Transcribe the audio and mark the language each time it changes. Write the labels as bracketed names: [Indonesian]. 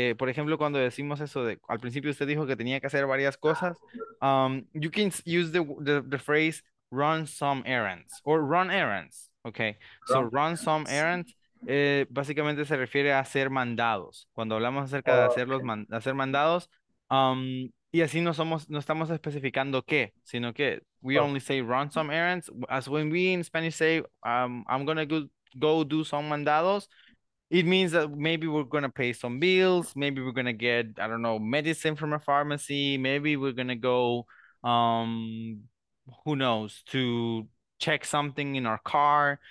[Spanish] Por ejemplo, cuando decimos eso de, al principio usted dijo que tenía que hacer varias cosas. [English] You can use the phrase, run some errands, or run errands, okay? So run some errands. [Spanish] Básicamente se refiere a hacer mandados. Cuando hablamos acerca de hacer mandados, y así no estamos especificando qué, sino que [English] we only say run some errands. As when we in Spanish say I'm gonna go do some mandados, it means that maybe we're gonna pay some bills, maybe we're gonna get, I don't know, medicine from a pharmacy, maybe we're gonna go who knows, to check something in our car.